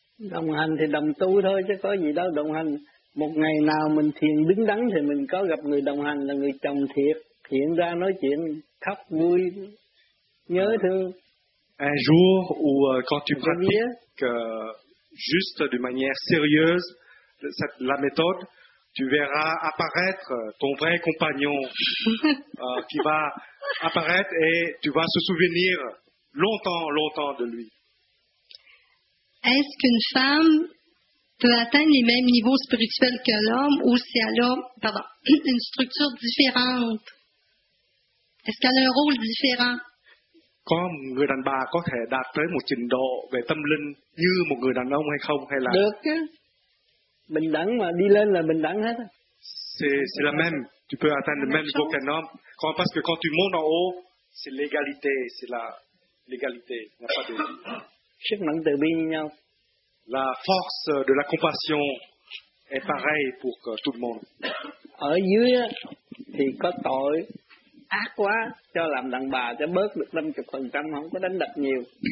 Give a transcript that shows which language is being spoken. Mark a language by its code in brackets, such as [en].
[vi] đồng hành thì đồng tu thôi chứ có gì đâu đồng hành. Một ngày nào mình thiền đứng đắn thì mình có gặp người đồng hành là người chồng thiệt, hiện ra nói chuyện khóc vui nhớ thương. [fr] Un jour où quand tu pratiques juste de manière sérieuse la méthode, tu verras apparaître ton vrai compagnon qui va apparaître et tu vas se souvenir longtemps de lui. Est-ce qu'une femme peut atteindre les mêmes niveaux spirituels que l'homme ou si elle a une structure différente? Est-ce qu'elle a un rôle différent? [vi] Có người đàn bà có thể đạt tới một trình độ về tâm linh như một người đàn ông hay không hay là? Được chứ. Bình đẳng mà đi lên là bình đẳng hết. [fr] C'est la même. Tu peux atteindre le même niveau qu'un homme. Quand, parce que quand tu montes en haut, c'est l'égalité. C'est la l'égalité. Il n'y a pas de. [vi] Sức mạnh từ bi như nhau. [fr] La force de la compassion est pareil pour tout le monde. [vi] Ở dưới thì có tội ác quá, cho làm đàn bà cho bớt được 50%, không có đánh đập nhiều.